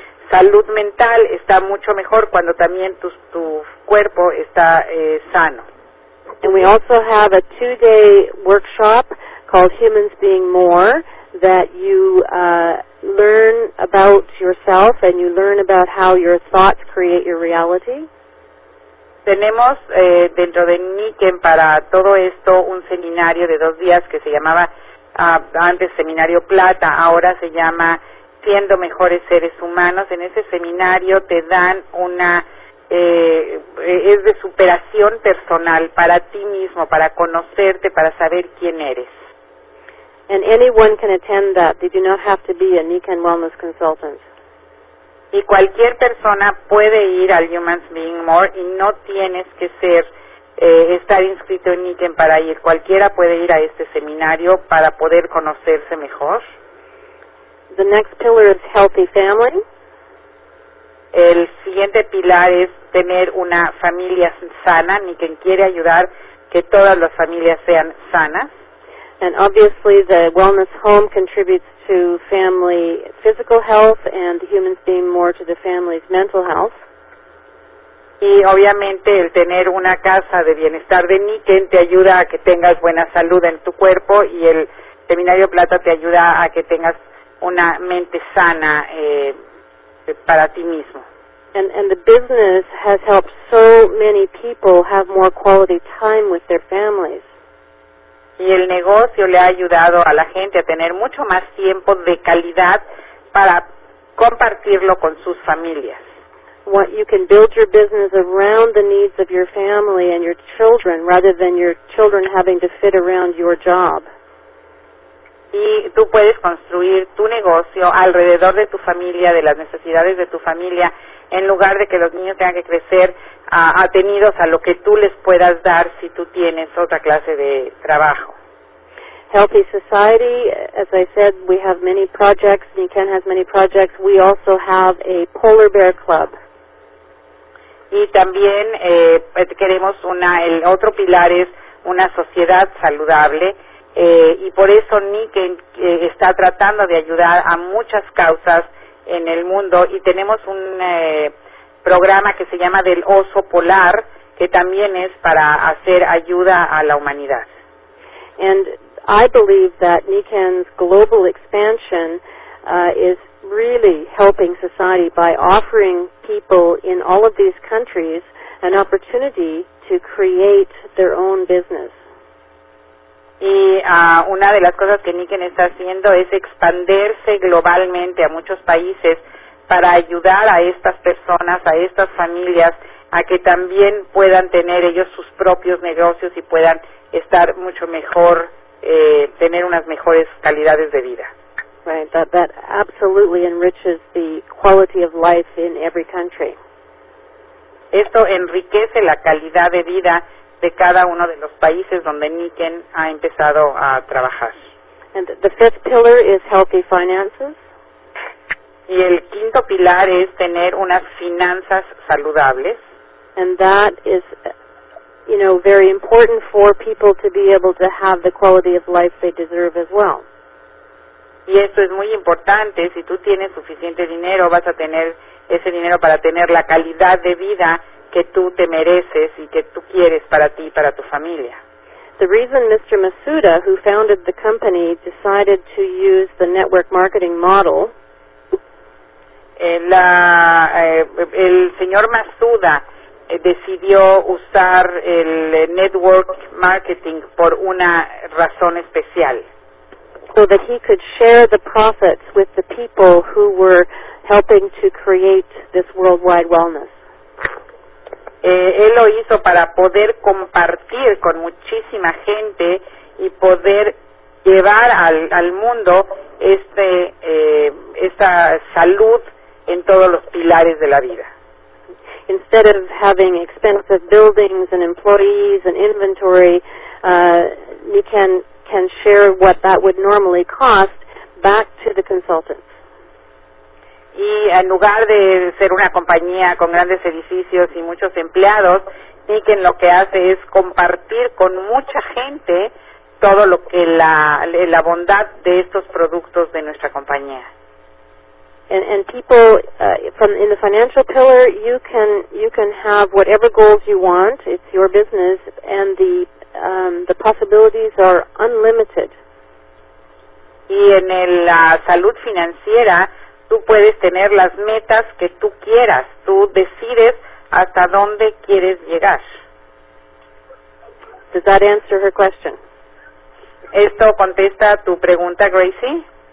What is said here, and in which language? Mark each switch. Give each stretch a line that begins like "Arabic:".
Spanish: salud mental está mucho mejor cuando también tu cuerpo está sano.
English: And we also have a two-day workshop called Humans Being More that you learn about yourself and you learn about how your thoughts create your reality.
Spanish: Tenemos dentro de Niken para todo esto un seminario de dos días que se llamaba antes Seminario Plata, ahora se llama Siendo Mejores Seres Humanos. En ese seminario te dan una, es de superación personal para ti mismo, para conocerte, para saber quién eres.
English: And anyone can attend that. They do not have to be a Niken Wellness Consultant.
Spanish: Y cualquier persona puede ir al Humans Being More y no tienes que ser estar inscrito en Niken para ir. Cualquiera puede ir a este seminario para poder conocerse mejor.
English: The next pillar is healthy family.
Spanish: El siguiente pilar es tener una familia sana. Niken quiere ayudar que todas las familias sean sanas.
English: And obviously the wellness home contributes to family physical health and Humans Being More to the family's mental health.
Spanish: Y obviamente el tener una casa de bienestar de Niken te ayuda a que tengas buena salud en tu cuerpo y el Seminario Plata te ayuda a que tengas una mente sana para ti mismo.
English: And the business has helped so many people have more quality time with their families.
Spanish: Y el negocio le ha ayudado a la gente a tener mucho más tiempo de calidad para compartirlo con sus familias.
English: What you can build your business around the needs of your family and your children rather than your children having to fit around your job.
Spanish: Y tú puedes construir tu negocio alrededor de tu familia, de las necesidades de tu familia, en lugar de que los niños tengan que crecer atenidos a lo que tú les puedas dar si tú tienes otra clase de trabajo.
English: Healthy society, as I said, we have many projects. Niken has many projects. We also have a polar bear club.
Spanish: Y también queremos una, el otro pilar es una sociedad saludable. Y por eso Niken está tratando de ayudar a muchas causas en el mundo. Y tenemos un programa que se llama Del Oso Polar, que también es para hacer ayuda a la humanidad.
English: And I believe that Niken's global expansion is really helping society by offering people in all of these countries an opportunity to create their own business.
Spanish: Y una de las cosas que Niken está haciendo es expandirse globalmente a muchos países para ayudar a estas personas, a estas familias, a que también puedan tener ellos sus propios negocios y puedan estar mucho mejor, tener unas mejores calidades de vida.
English: Right, that absolutely enriches the quality of life in every country.
Spanish: Esto enriquece la calidad de vida de cada uno de los países donde Niken ha empezado a trabajar.
English: And the fifth pillar is healthy finances.
Spanish: Y el quinto pilar es tener unas finanzas saludables.
English: And that is, you know, very important for people to be able to have the quality of life they deserve as well.
Spanish: Y eso es muy importante. Si tú tienes suficiente dinero, vas a tener ese dinero para tener la calidad de vida que tú te mereces y que tú quieres para ti y para tu familia.
English: The reason Mr. Masuda, who founded the company, decided to use the network marketing model.
Spanish: El señor Masuda decidió usar el network marketing por una razón especial.
English: So that he could share the profits with the people who were helping to create this worldwide wellness.
Spanish: Él lo hizo para poder compartir con muchísima gente y poder llevar al mundo esta salud en todos los pilares de la vida.
English: Instead of having expensive buildings and employees and inventory, Niken can share what that would normally cost back to the consultants.
Spanish: Y en lugar de ser una compañía con grandes edificios y muchos empleados, Niken lo que hace es compartir con mucha gente todo lo que la bondad de estos productos de nuestra compañía.
English: and people from in the financial pillar, you can have whatever goals you want. It's your business, and the possibilities are unlimited.
Spanish: Y en la salud financiera, tú puedes tener las metas que tú quieras. Tú decides hasta dónde quieres llegar.
English: Does that answer her question?
Spanish: ¿Esto contesta tu pregunta, Gracie?